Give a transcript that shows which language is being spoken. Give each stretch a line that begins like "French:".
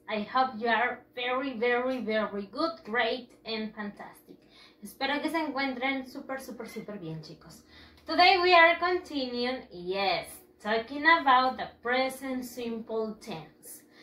English: I hope you are very, very, very good, great, and fantastic.
Spanish: Espero que se encuentren super, super, super bien, chicos.
English: Today we are continuing, yes, talking about the present simple tense.